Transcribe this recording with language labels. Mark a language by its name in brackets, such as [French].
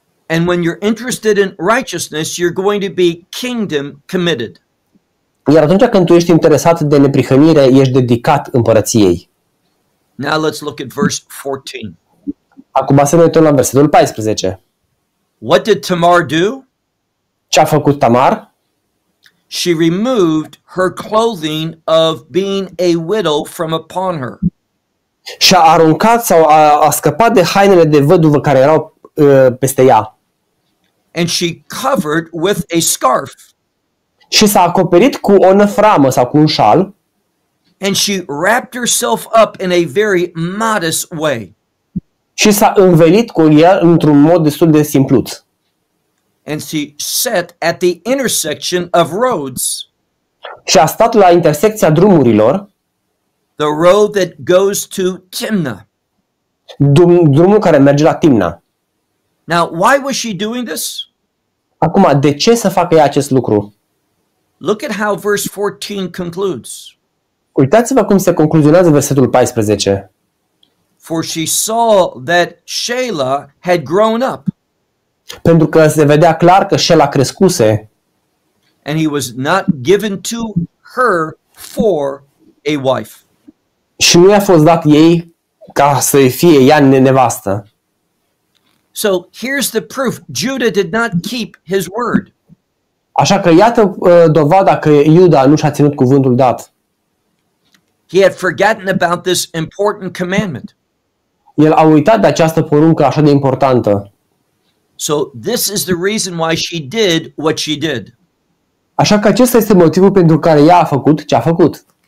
[English] And when you're interested in righteousness, you're going to be kingdom committed. [Romanian] Iar atunci când tu ești interesat de neprihănire, ești dedicat împărăției. [English] Now let's look at verse 14. [Romanian] Acum să ne uităm la versetul 14. [English] What did Tamar do? [Romanian] Ce a făcut Tamar? [English] She removed her clothing of being a widow from upon her. [Romanian] Și-a aruncat sau a scăpat de hainele de văduvă care erau peste ea. [English] And she covered with a scarf. [Romanian] Și s-a acoperit cu o năframă sau cu un șal. [English] And she wrapped herself up in a very modest way. [Romanian] Și s-a învelit cu el într-un mod destul de simpluț. [English] And she sat at the intersection of roads. [Romanian] Și a stat la intersecția drumurilor. [English] The road that goes to Timna. [Romanian] Drumul care merge la Timna. [English] Now, why was she doing this? [Romanian] Acum, de ce să facă ea acest lucru? [English] Look at how verse 14 concludes. [Romanian] Uitați-vă cum se concluzionează versetul 14. [English] For she saw that Shelah had grown up. [Romanian] Pentru că se vedea clar că Shelah crescuse. [English] And he was not given to her for a wife. [Romanian] Și nu i-a fost dat ei ca să fie ea nevastă. [English] So here's the proof. Judah did not keep his word. [Romanian] Așa că iată dovada că Iuda nu și-a ținut cuvântul dat. [English] He had forgotten about this important commandment. [Romanian] El a uitat de această poruncă așa de importantă. [English] So this is the reason why she did what she did. [Romanian] Așa că acesta este motivul pentru care ea a făcut ce a făcut.